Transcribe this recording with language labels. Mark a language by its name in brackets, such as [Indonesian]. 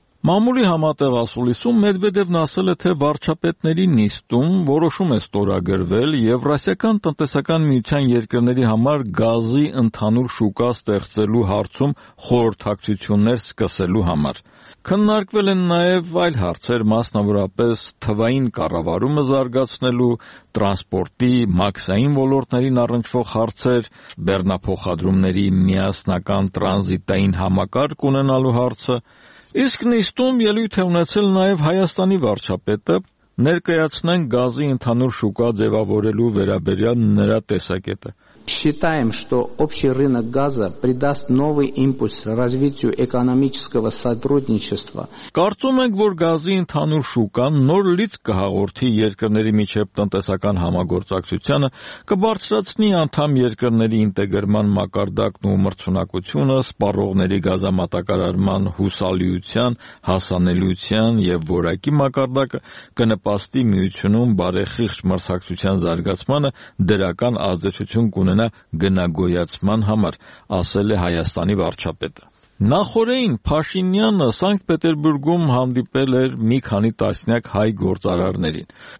[Armenian] Մամուլի համատեղասուլիսում Մեդվեդևն ասել է, թե վարչապետների նիստում որոշում է ստորագրվել Եվրասիական տնտեսական միության երկրների համար գազի ընդհանուր շուկա ստեղծելու հարցում խորհրդակցություններ սկսելու համար։ Քննարկվել են նաև այլ հարցեր, մասնավորապես թվային կառավարումը զարգացնելու, տրանսպորտի, մաքսային ոլորտներին առնչվող հարցեր, բեռնափոխադրումների միասնական տրանզիտային համակարգ ունենալու հարցը։ Իսկ նիստում ելույթ է ունեցել նաև Հայաստանի վարչապետը, ներկայացնեն գազի ընդհանուր շուկա ձևավորելու վերաբերյալ նրա տեսակետը։ [Russian] Считаем, что общий рынок газа придаст новый импульс развитию экономического сотрудничества. [Armenian] Կարծում ենք, որ գազի ընդհանուր շուկան նոր լիցք կհաղորդի երկրների միջև տնտեսական համագործակցությանը, կբարձրացնի անդամ երկրների ինտեգրման մակարդակն ու մրցունակությունը, սպառողների գազամատակարարման հուսալիության, հասանելիության և որակի մակարդակը, կնպաստի միությունում բարեխիղճ մրցակցության զարգացմանը, դրական ազդեցություն կունենա գնագոյացման համար, ասել է Հայաստանի վարչապետը։ Նախորդին Փաշինյանը Սանկտպետերբուրգում հանդիպել էր մի քանի տասնյակ հայ գործարարներին։